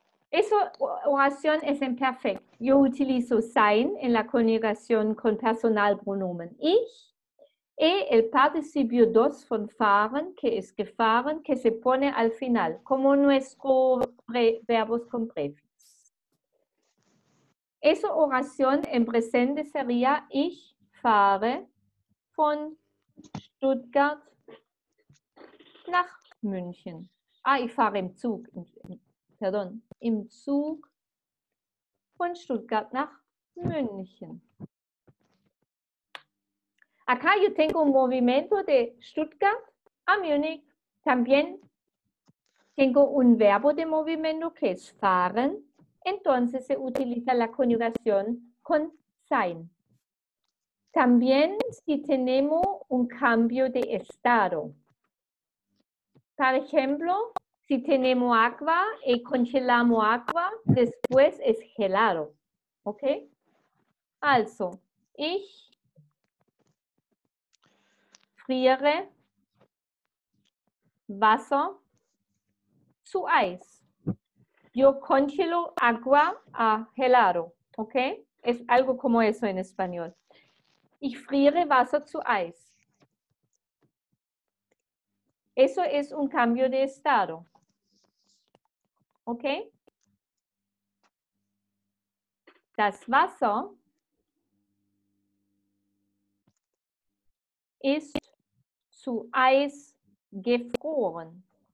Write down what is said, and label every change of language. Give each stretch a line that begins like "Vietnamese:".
Spanish: Esa oración es en perfecto. Yo utilizo sein en la conjugación con personalpronomen. Ich, y el participio dos von fahren, que es gefahren, que se pone al final, como nuestro verbos con prefix. Esa oración en presente sería
German: ich fahre von Stuttgart nach München. Ah, ich fahre im Zug. Perdón, im Zug von Stuttgart nach München.
Spanish: Acá yo tengo un movimiento de Stuttgart a Múnich. También tengo un verbo de movimiento que es fahren. Entonces se utiliza la conjugación con sein. También si tenemos un cambio de estado. Por ejemplo, si tenemos agua y congelamos agua, después es gelado. ¿Ok?
German: Also, ich friere Wasser zu Eis.
Spanish: Yo congelo agua a gelado. ¿Ok? Es algo como eso en español.
German: Ich friere Wasser zu Eis.
Spanish: Eso es un cambio de estado. Okay.
German: Das Wasser ist zu Eis gefroren.